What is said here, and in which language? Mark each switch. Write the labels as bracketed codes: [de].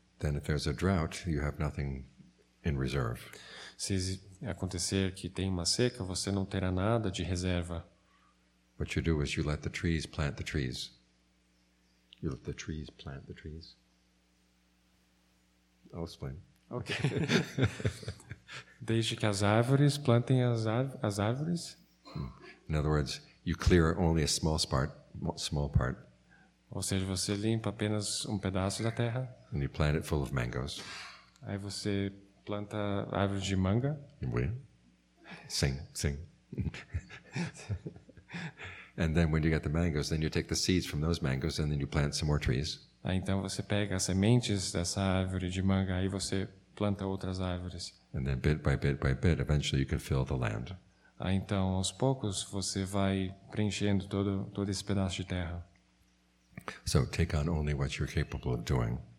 [en] then if there's a drought, you have nothing in reserve. [pt] Se acontecer que tem uma seca, você não terá nada de reserva. [en] What you do is you let the trees plant the trees. You let the trees plant the trees. I'll explain. Okay. [pt] Deixe que as árvores plantem as árvores. [en] In other words, you clear only a small part. [pt] Ou seja, você limpa apenas pedaço da terra. [en] And you plant it full of mangoes. [pt] Aí você planta árvores de manga. Oui. Sing, sing. [en] And then when you get the mangoes, then you take the seeds from those mangoes and then you plant some more trees. [pt] Aí então você pega as sementes dessa árvore de manga e você planta outras árvores. [en] And then bit by bit by bit, eventually you can fill the land. [pt] Aí então aos poucos você vai preenchendo todo esse pedaço de terra. [en] So take on only what you're capable of doing.